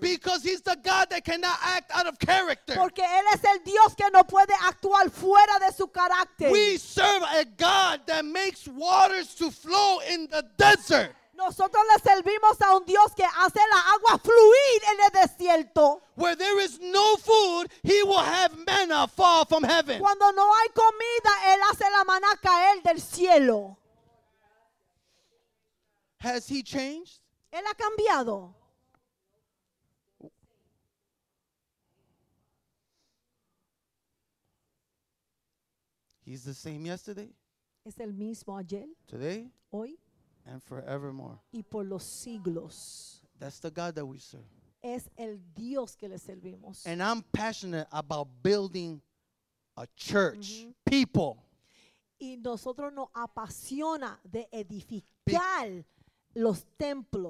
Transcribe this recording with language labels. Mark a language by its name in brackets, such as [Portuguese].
[English] Because he's the God that cannot act out of character. [Spanish] Porque él es el Dios que no puede actuar fuera de su carácter. [English] We serve a God that makes waters to flow in the desert. [Spanish] Nosotros le servimos a un Dios que hace la agua fluir en el desierto. [English] Where there is no food, he will have manna fall from heaven. [Spanish] Cuando no hay comida, él hace la maná caer del cielo. [English] Has he changed? [Spanish] Él ha cambiado. [English] He's the same yesterday. [Spanish] Es el mismo ayer. [English] Today. [Spanish] Hoy. [English] And forevermore. [Spanish] Y por los siglos. [English] That's the God that we serve. [Spanish] Es el Dios que le servimos. [English] And I'm passionate about building a church, mm-hmm. people. [Spanish] Y nosotros nos apasiona de edificar los templos,